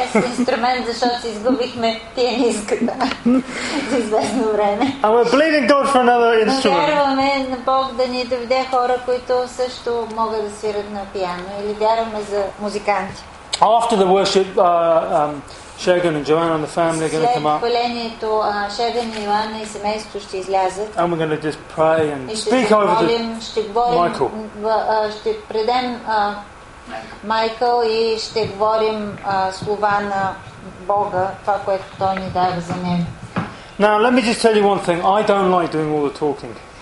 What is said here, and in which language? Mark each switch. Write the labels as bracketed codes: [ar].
[en] And we're believing God for another instrument. After the worship, Шеган и Джоанна and the family are going to come up. And we're going to just pray and speak over the Michael. [bg] Ще предем Майкъл и ще говорим слова на Бога, това което той ни дава за него. [en] Now let me just tell you one thing. I don't like doing all the talking.